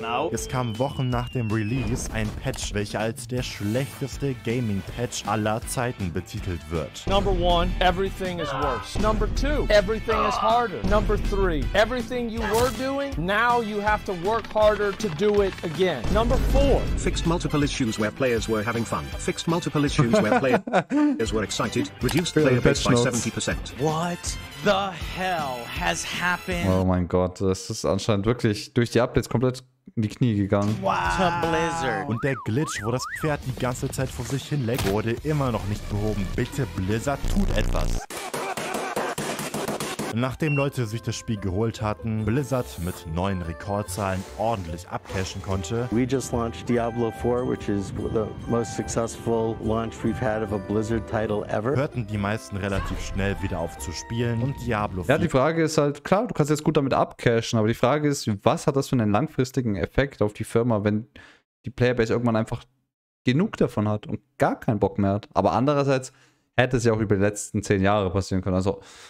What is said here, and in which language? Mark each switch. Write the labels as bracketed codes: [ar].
[de] Es kam Wochen nach dem Release ein Patch, welcher als der schlechteste Gaming-Patch aller Zeiten betitelt wird. [en] Number one, everything is worse. Number two, everything is harder. Number three, everything you were doing, now you have to work harder to do it again. Number four, fixed multiple issues where players were having fun. Fixed multiple issues where players were excited. Reduced player base by 70%. What the hell has happened? [de] Oh mein Gott, das ist anscheinend wirklich durch die Updates komplett in die Knie gegangen. Wow. Und der Glitch, wo das Pferd die ganze Zeit vor sich hin leckt, wurde immer noch nicht behoben. Bitte Blizzard, tut etwas. Nachdem Leute sich das Spiel geholt hatten, Blizzard mit neuen Rekordzahlen ordentlich abcashen konnte. [en] We just launched Diablo 4, which is the most successful launch we've had of a Blizzard title ever. [de] Hörten die meisten relativ schnell wieder auf zu spielen und Diablo 4. Ja, die Frage ist halt, klar, du kannst jetzt gut damit abcashen, aber die Frage ist, was hat das für einen langfristigen Effekt auf die Firma, wenn die Playerbase irgendwann einfach genug davon hat und gar keinen Bock mehr hat? Aber andererseits hätte es ja auch über die letzten 10 Jahre passieren können, also...